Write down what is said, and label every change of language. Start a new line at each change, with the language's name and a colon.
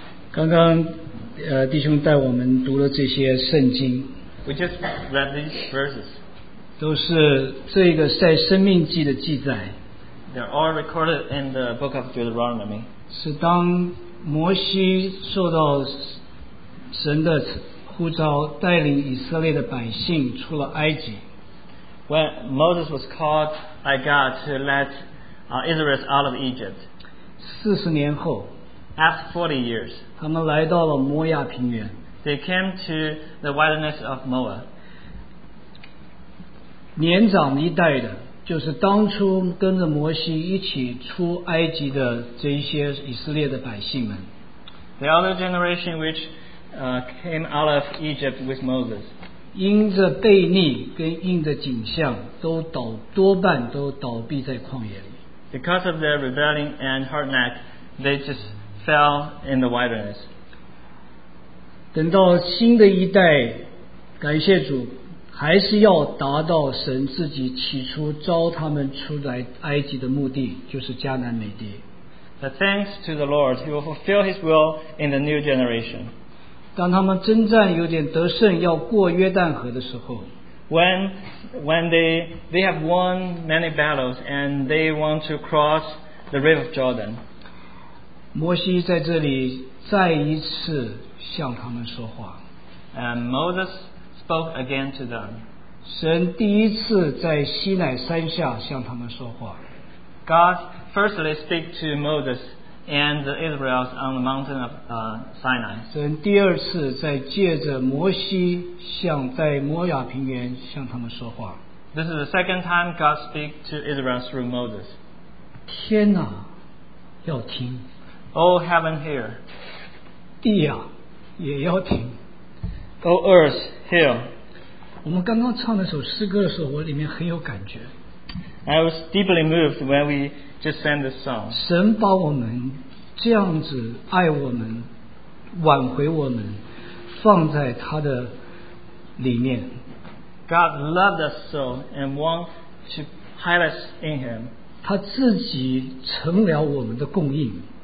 Chinese: 刚刚弟兄带我们读了这些圣经。
English: We just read these verses。
Chinese: 都是这个在生命记的记载。
English: They're all recorded in the book of Deuteronomy。
Chinese: 是当摩西受到神的呼召，带领以色列的百姓出了埃及。
English: When Moses was called by God to let Israel out of Egypt,
Chinese: 40年后,
English: after 40 years,
Chinese: 他们来到了摩亚平原,
English: they came to the wilderness of Moab.
Chinese: 年长一代的, 就是当初跟着摩西一起出埃及的这一些以色列的百姓们,
English: the other generation which came out of Egypt with Moses.
Chinese: 因着悖逆跟因着景象都倒多半都倒闭在旷野里。
English: Because of their rebellion and hard neck, they just fell in the wilderness.
Chinese: 等到新的一代，感谢主，还是要达到神自己起初召他们出来埃及的目的，就是迦南美地。
English: But thanks to the Lord, he will fulfill his will in the new generation.
Chinese: 当他们征战有点得胜，要过约旦河的时候
English: ，when they have won many battles and they want to cross the river Jordan，
Chinese: 摩西在这里再一次向他们说话
English: ，and Moses spoke again to them。
Chinese: 神第一次在西乃山下向他们说话
English: ，God firstly speak to Moses。 And Israel's on the mountain of Sinai.
Chinese: 神第二次在借着摩西向在摩亚平原向他们说话。
English: This is the second time God speaks to Israel through Moses.
Chinese: 天哪，要听。
English: Oh heaven, hear.
Chinese: 地呀，也要听。
English: Oh earth, hear.
Chinese: 我们刚刚唱那首诗歌的时候，我里面很有感觉。
English: I was deeply moved when we. Just sang this song.
Chinese: 神把我们这样子爱我们，挽回我们，放在他的里面。
English: God loved us so and wants to hide us in Him.
Chinese: 他自己成了我们的供应。